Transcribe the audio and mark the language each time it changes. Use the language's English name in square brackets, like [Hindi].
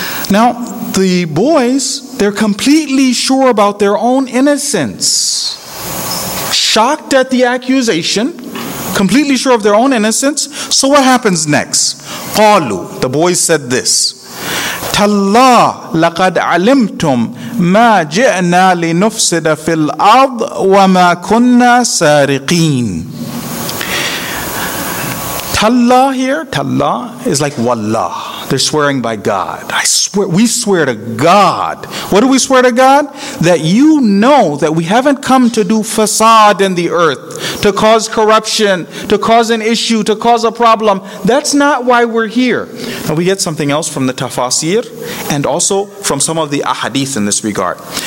[English] Now, the boys, they're completely sure about their own innocence. Shocked at the accusation, completely sure of their own innocence. So what happens next? قالوا, the boys said this. [Arabic] تَاللَّهِ لَقَدْ عَلِمْتُمْ مَا جِئْنَا لِنُفْسِدَ فِي الْأَرْضِ وَمَا كُنَّا سَارِقِينَ تَاللَّهِ [English] here, [Arabic] تَاللَّهِ [English] is like wallah. They're swearing by God. I swear, we swear to God. What do we swear to God? That you know that we haven't come to do facade in the earth, to cause corruption, to cause an issue, to cause a problem. That's not why we're here. And we get something else from the tafasir and also from some of the ahadith in this regard.